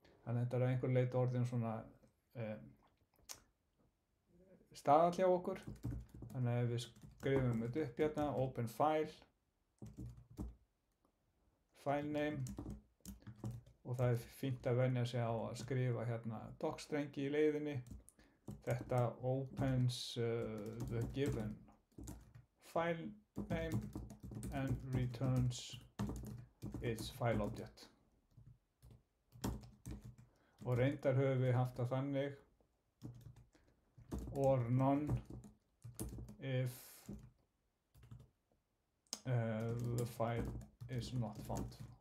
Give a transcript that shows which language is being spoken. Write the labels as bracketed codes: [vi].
[is] Þannig að þetta er að einhver leyti orðin svona staðall hjá okkur. Þannig að ef við skrifum þetta upp hérna, [en] open file, filename [is] og það er fínt að venja sig á að skrifa hérna docstrengi í leiðinni. Þetta [en] opens the given filename and returns its file object. [is] Og reyndar höfum við haft það þannig [en] or none if the file is not found.